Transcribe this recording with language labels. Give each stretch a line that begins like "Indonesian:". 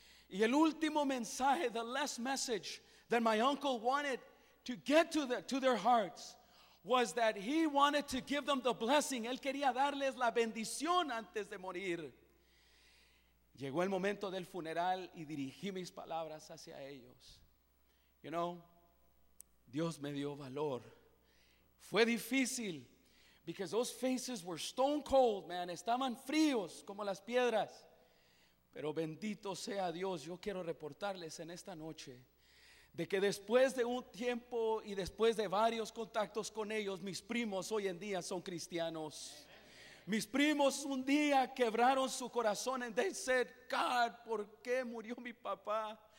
Spanish: Y el último mensaje,
English: the last message that my uncle wanted to get to their hearts, was that he wanted to give them the blessing.
Spanish: Él quería darles la bendición antes de morir. Llegó el momento del funeral y dirigí mis palabras hacia ellos.
English: You know,
Spanish: Dios me dio valor. Fue difícil,
English: because those faces were stone cold, man.
Spanish: Estaban fríos como las piedras. Pero bendito sea Dios. Yo quiero reportarles en esta noche de que después de un tiempo y después de varios contactos con ellos, mis primos hoy en día son cristianos. Mis primos un día quebraron su corazón
English: and they said, God,
Spanish: ¿por qué murió mi papá?